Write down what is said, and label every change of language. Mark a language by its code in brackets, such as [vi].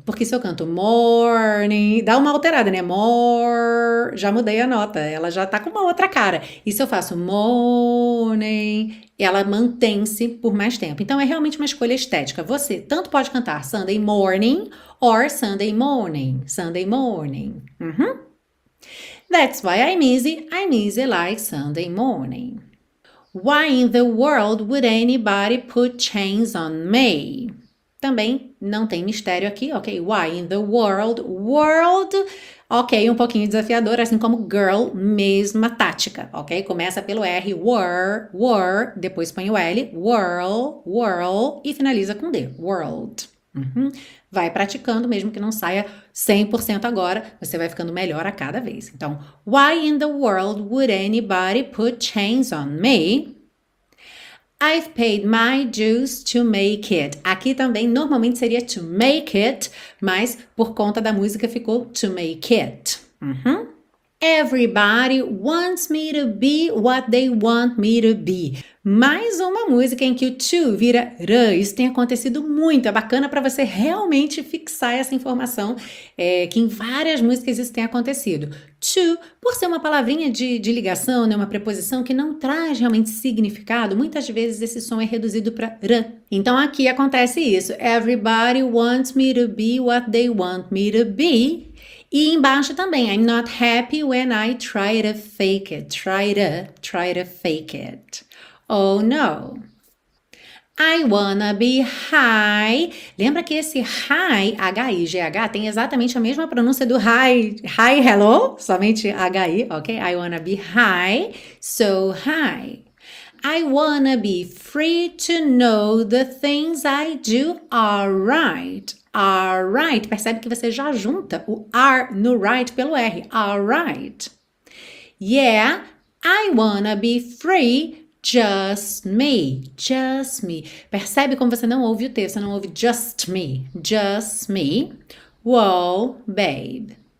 [pt] Porque se eu canto morning, dá uma alterada, né? More, já mudei a nota, ela já tá com uma outra cara. E se eu faço morning, ela mantém-se por mais tempo. Então é realmente uma escolha estética. Você tanto pode cantar [en] Sunday morning or Sunday morning. Sunday morning. That's why I'm easy like Sunday morning. Why in the world would anybody put chains on me? [pt] Também não tem mistério aqui, ok? [en] Why in the world? [pt] World, ok, um pouquinho desafiador, assim como girl, mesma tática, ok? Começa pelo R, were, were, depois põe o L, world, world, e finaliza com D, world. Vai praticando, mesmo que não saia 100% agora, você vai ficando melhor a cada vez. Então, [en] why in the world would anybody put chains on me? I've paid my dues to make it. [pt] Aqui também normalmente seria [en] to make it, [pt] mas por conta da música ficou to make it. [en] Everybody wants me to be what they want me to be. [pt] Mais uma música em que o to vira ra. Isso tem acontecido muito. É bacana para você realmente fixar essa informação, que em várias músicas isso tem acontecido. To, por ser uma palavrinha de ligação, né, uma preposição que não traz realmente significado, muitas vezes esse som é reduzido para ra. Então aqui acontece isso. [en] Everybody wants me to be what they want me to be. [pt] E embaixo também, [en] I'm not happy when I try to fake it. Try to fake it. Oh no. I wanna be high. [pt] Lembra que esse high, H-I-G-H, tem exatamente a mesma pronúncia do high. [en] Hi, hello, [pt] somente [en] H-I, ok? I wanna be high, so high. I wanna be free to know the things I do are right. All right, percebe que você já junta o R no right pelo R. All right. Yeah, I wanna be free Just me, just me. [pt] Percebe como você não ouve o T, você não ouve [en] just me, whoa, babe.